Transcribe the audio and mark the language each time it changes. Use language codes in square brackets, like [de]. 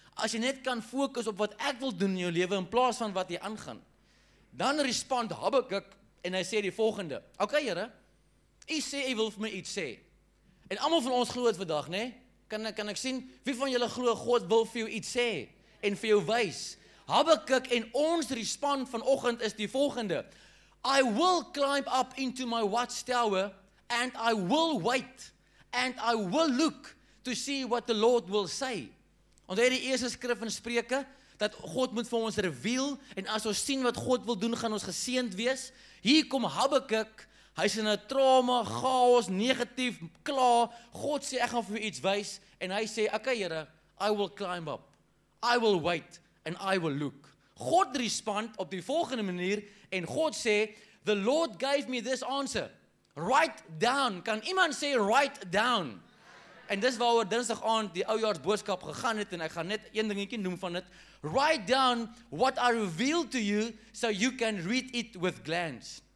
[af] As jy net kan fokus op wat ek wil doen in jou lewe in plaas van wat jy aangaan. Dan respond Habakuk en hy sê die volgende. OK Here, U sê U wil vir my iets sê. En almal van ons glo dit vandag, né? Kan ek sien wie van julle glo God wil vir jou iets sê en vir jou wys? Habakuk en ons respond vanoggend is die volgende. [en] I will climb up into my watchtower and I will wait and I will look to see what the Lord will say. [af] Onthou die eerste skrif in Spreuke dat God moet vir ons reveal en as ons sien wat God wil doen gaan ons geseend wees. Hier kom Habakuk, hy's in 'n trauma, chaos, negatief, klaar. God sê ek gaan vir iets wys en hy sê, "Oké Here, [en] I will climb up. I will wait and I will look." God respond [af] op die volgende manier en God sê, [en] "The Lord gave me this answer. Write down." [af] Kan iemand sê [en] write down? [af] En dis waaroor Dinsdag aand die oujaarsboodskap gegaan het en ek gaan net een dingetjie noem van dit. [en] Write down what I revealed to you so you can read it with glance.